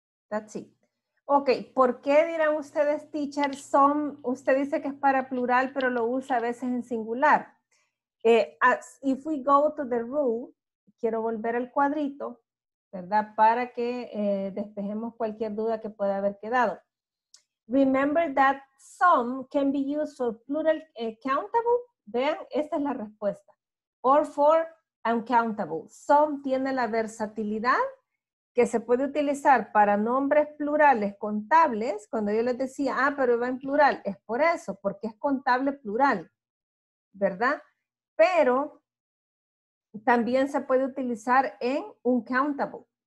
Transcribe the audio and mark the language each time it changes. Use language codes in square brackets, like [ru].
[en] That's it. [es] Ok, ¿por qué dirán ustedes, teacher, son, usted dice que es para plural, pero lo usa a veces en singular? [en] As, if we go to the rule, [es] quiero volver al cuadrito, ¿verdad? Para que despejemos cualquier duda que pueda haber quedado. [en] Remember that some can be used for plural countable. [es] Vean, esta es la respuesta. [en] Or for uncountable. [es] Some tiene la versatilidad que se puede utilizar para nombres plurales contables. Cuando yo les decía, ah, pero va en plural, es por eso, porque es contable plural, ¿verdad? Pero también se puede utilizar en uncountable.